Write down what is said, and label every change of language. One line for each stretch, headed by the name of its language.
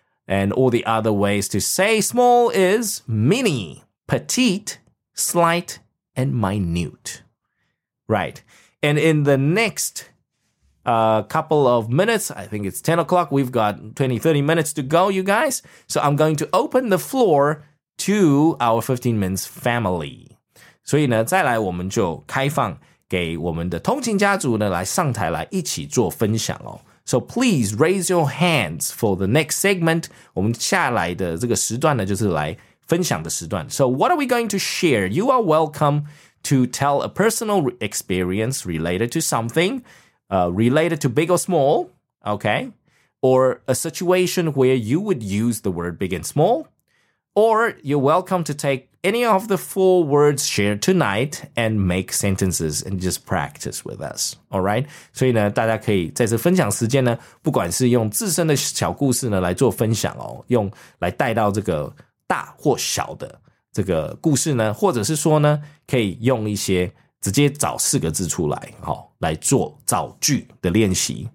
English: And all the other ways to say small is mini, petite, slight, and minute. Right. And in the next couple of minutes, I think it's 10 o'clock, we've got 20, 30 minutes to go, you guys. So I'm going to open the floor... to our 15 minutes family.
Chinese: 所以呢再来我们就开放给我们的通勤家族呢来上台来一起做分享哦。
English: So please raise your hands for the next segment.
Chinese: 我们下来的这个时段呢就是来分享的时段。
English: So what are we going to share? You are welcome to tell a personal experience related to something, related to big or small, okay? Or a situation where you would use the word big and small. Or you're welcome to take any of the four words shared tonight and make sentences and just practice with us, all right?
Chinese: 所以呢，大家可以在这分享时间呢，不管是用自身的小故事呢来做分享哦，用来带到这个大或小的这个故事呢，或者是说呢，可以用一些直接找四个字出来，好，来做造句的练习。